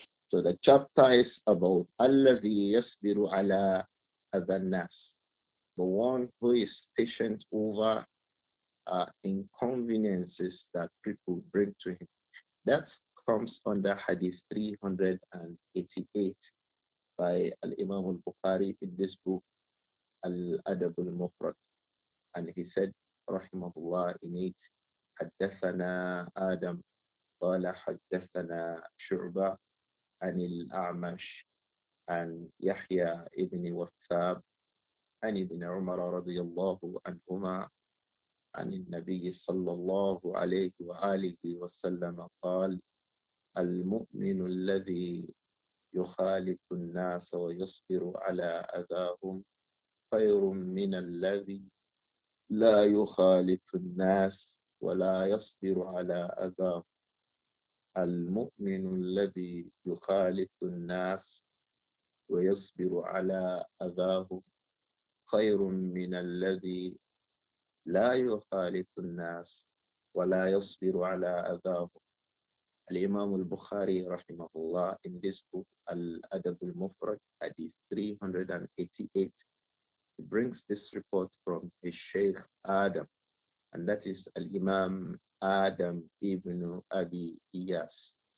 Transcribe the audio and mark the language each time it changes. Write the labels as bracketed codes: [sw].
[en] So the chapter is about Alladhi yasbiru ala adhan nas, the one who is patient over inconveniences that people bring to him. That comes under Hadith 388 by Al-Imam al-Bukhari in this book, Al-Adab al-Mufrad. And he said, [ar] Rahimahullah, in it, Haddathana Adam, Qala Haddathana Shu'bah, عن الأعمش عن يحيى ابن وثاب عن ابن عمر رضي الله عنهما عن النبي صلى الله عليه وآله وسلم قال المؤمن الذي يخالف الناس ويصبر على أذاهم خير من الذي لا يخالف الناس ولا يصبر على أذاهم. المؤمن الذي يخالف الناس ويصبر على أذاه خير من الذي لا يخالف الناس ولا يصبر على أذاه. الإمام البخاري رحمه الله [en] in this book الأدب المفرد حديث 388 he brings this report from his Sheikh Adam, and that is الإمام Adam ibn Abi Iyas.